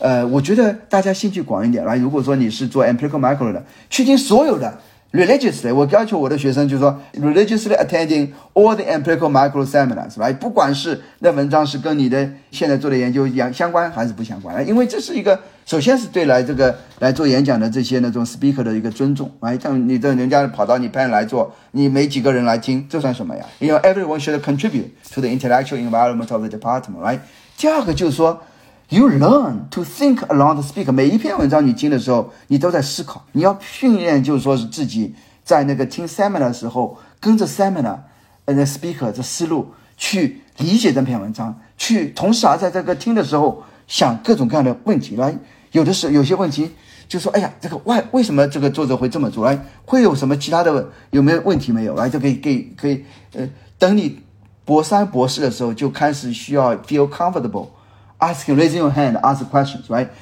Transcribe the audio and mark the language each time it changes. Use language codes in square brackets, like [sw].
[zh] 我觉得大家兴趣广一点，来如果说你是做 empirical micro 的，去听所有的 religiously， 我要求我的学生就是说 [en] religiously attending all the empirical micro seminars， [zh] 来不管是那文章是跟你的现在做的研究相关还是不相关，来因为这是一个首先是对来做演讲的这些那种 speaker 的一个尊重，来像你的人家跑到你 panel 来做，你没几个人来听，这算什么呀？ [en] You know everyone should contribute to the intellectual environment of the department， [zh] 来第二个就是说 [en] You learn to think along the speaker。 [zh] 每一篇文章你听的时候你都在思考，你要训练就是说是自己在那个听 seminar 的时候跟着 seminar and the speaker 的思路去理解这篇文章，去同时在这个听的时候想各种各样的问题，来有的时候有些问题就说，哎呀，这个为什么这个作者会这么做，来会有什么其他的有没有问题没有，来就可以等你博三博士的时候就开始需要 [en] feel comfortableAsking, raising your hand, ask questions, right?